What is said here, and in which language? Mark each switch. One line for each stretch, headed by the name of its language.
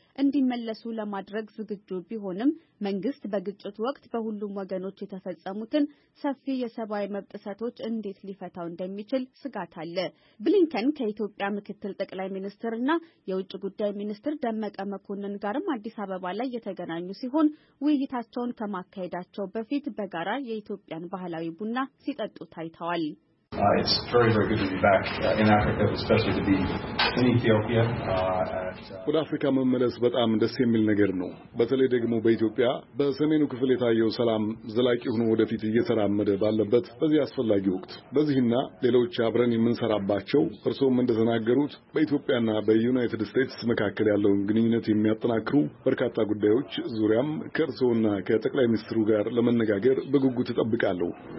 Amharic: እንዲመለሱ ለማድረግ ዝግጁ ቢሆንም መንግስት በግጭት ወቅት በሁሉም ወገኖች የተፈጸሙትን ሰፊ የሰብአዊ መብት ጥሰቶች እንዴት ሊፈታው እንደሚችል ስጋት አለ። ብሊንከን ከኢትዮጵያ ምክትል ጠቅላይ ሚኒስትርና የውጭ ጉዳይ ሚኒስትር ደመቀ መኮንን ጋርም አዲስ አበባ ላይ የተገናኙ ሲሆን ውይይታቸውን ከማካሄዳቸው በፊት በጋራ የኢትዮጵያን ባህላዊ ቡና ሲጠጡ ታይተዋል።
English: It's very, very good to be back in Africa, especially to be in Ethiopia.
Amharic: ወደ አፍሪካ መመለስ በጣም ደስ የሚል ነገር ነው። በተለይ ደግሞ በኢትዮጵያ በሰሜኑ ክፍል የታየው ሰላም ዘላቂ ሆኖ ወደፊት እየተራመደ ባለበት በዚህ አስፈላጊ ወቅት በዚህና ሌሎች አብረን የምንሰራባቸው እርሶም እንደተናገሩት በኢትዮጵያና በዩናይትድ ስቴትስ መካከል ያለውን ግንኙነት የሚያጠናክሩ በርካታ ጉዳዮች ዙሪያም ከእርሶና ከጠቅላይ ሚኒስትሩ ጋር ለመነጋገር በጉጉት እጠብቃለሁ።